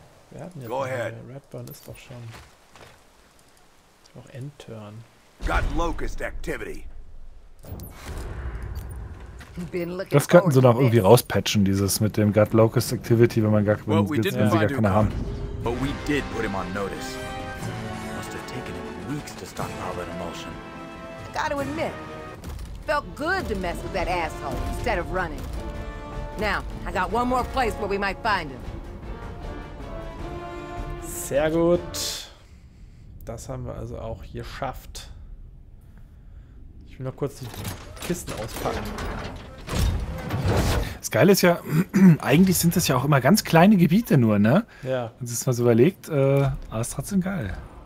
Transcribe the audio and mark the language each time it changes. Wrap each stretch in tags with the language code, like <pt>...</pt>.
<de>Wir hatten ja Redburn ist doch schon. Auch Endturn.</de> <en>Got locust activity.</en> <de>Das könnten sie noch irgendwie rauspatchen, dieses mit dem</de> <en>Got Locust Activity,</en> <de>wenn man gar, wenn sie gar keine haben.</de> <en>But we did put him on notice. Must have taken him weeks to stockpile that emulsion. I gotta admit, felt good to mess with that asshole instead of running. Now, I got one more place where we might find him.</en> <de>Sehr gut. Das haben wir also auch geschafft. Ich will noch kurz die Kisten auspacken. Das Geile ist ja, eigentlich sind das ja auch immer ganz kleine Gebiete nur, ne? Ja. Wenn man sich mal so überlegt, aber ist trotzdem geil.</de>